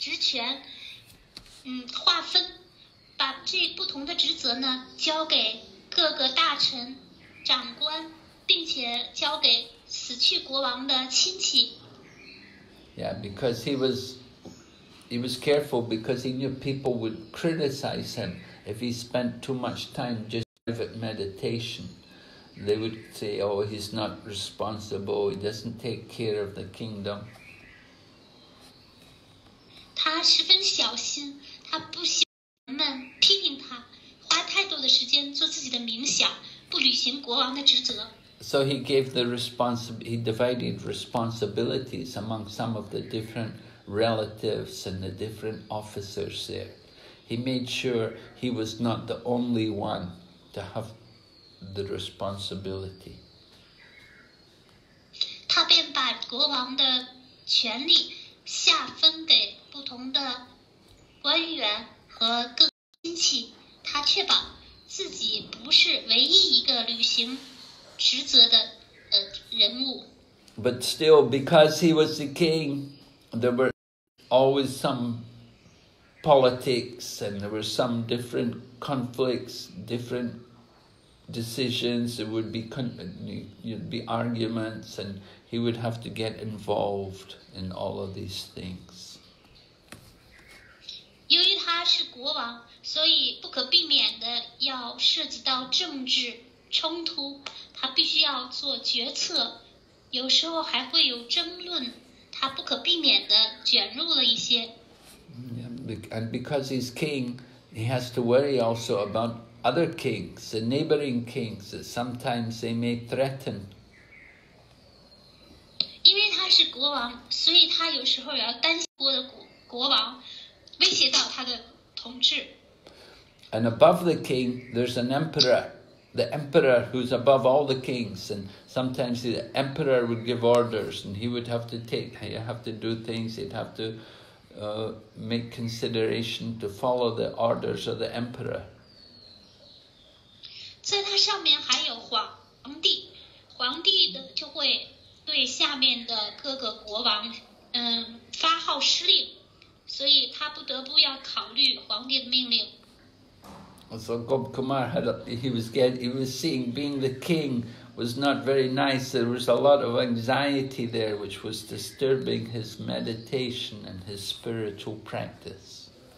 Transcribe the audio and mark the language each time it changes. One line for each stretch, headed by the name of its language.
English: Yeah, because he was careful, because he knew people would criticize him if he spent too much time just private meditation. They would say, oh, he's not responsible, he doesn't take care of the kingdom.
Chinese: 他十分小心，他不喜欢人们批评他，花太多的时间做自己的冥想，不履行国王的职责。
English: So he gave the he divided responsibilities among some of the different relatives and the different officers there. He made sure he was not the only one to have the responsibility.
Chinese: 他便把国王的权力下分给不同的官员和各亲戚，他确保自己不是唯一一个履行职责的人物。
English: But still, because he was the king, there were always some politics, and there were some different conflicts, different decisions. There would be arguments, and he would have to get involved in all of these things.
Chinese: 由于他是国王，所以不可避免的要涉及到政治冲突，他必须要做决策，有时候还会有争论，他不可避免的卷入了一些。
English: And because he's king, he has to worry also about other kings, the neighboring kings, that sometimes they may threaten.
Chinese: 因为他是国王，所以他有时候要担心国王威胁到他的统治。
English: And above the king, there's an emperor, the emperor who's above all the kings, and sometimes the emperor would give orders, and he would have to take, he'd have to do things, he'd have to make consideration to follow the orders of the emperor.
Chinese: 在他上面还有皇帝的就会对下面的各个国王发号施令，所以他不得不要考虑皇帝的命令。
English: So Gob Kumar had he was seeing being the king was not very nice. There was a lot of anxiety there, which was disturbing his meditation and his spiritual practice.